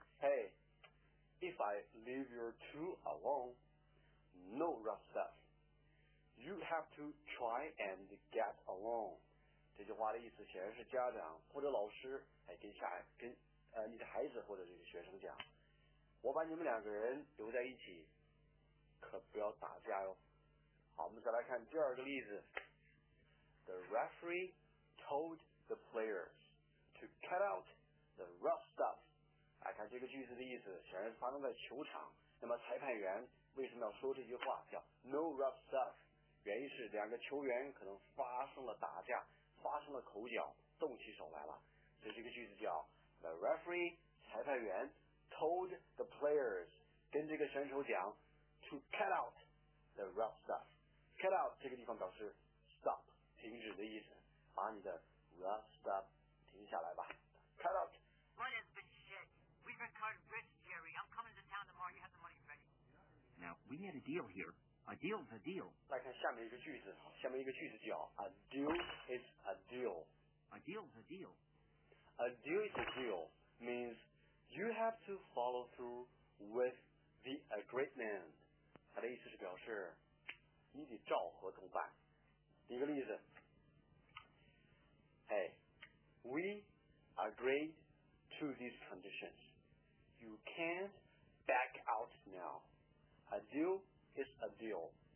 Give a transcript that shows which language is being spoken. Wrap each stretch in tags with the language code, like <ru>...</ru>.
<en>Hey, if I leave you two alone, no rough stuff. You have to try and get along.</en> <zh>这句话的意思显然是家长或者老师跟你的孩子或者这个学生讲，我把你们两个人留在一起，可不要打架哟。好，我们再来看第二个例子。</zh> <en>The referee told the players to cut out the rough stuff.</en> <zh>来看这个句子的意思，显然是发生在球场。那么裁判员为什么要说这句话？叫</zh> <en>no rough stuff，</en> <zh>原因是两个球员可能发生了打架，发生了口角，动起手来了。所以这个句子叫</zh> <en>The referee</en> <zh>裁判员</zh> <en>told the players</en> <zh>跟这个选手讲</zh> <en>to cut out the rough stuff.</en> <zh>Cut out 这个地方表示 stop 停止的意思，把你的 rough stuff 停下来吧。Cut out.</zh> <en>Blood has been shed. We've been cut rich, Jerry. I'm coming to town tomorrow. You have the money ready. Now we had a deal here. A deal's a deal.</en> <zh>来看下面一个句子，下面一个句子叫</zh> <en>a deal is a deal. A deal's a deal. A deal is a deal means you have to follow through with the agreement.</en> <zh>他的意思是表示你得照合同办。一个例子，</zh> <en>Hey, we agreed to these conditions. You can't back out now. A deal is a deal.</en>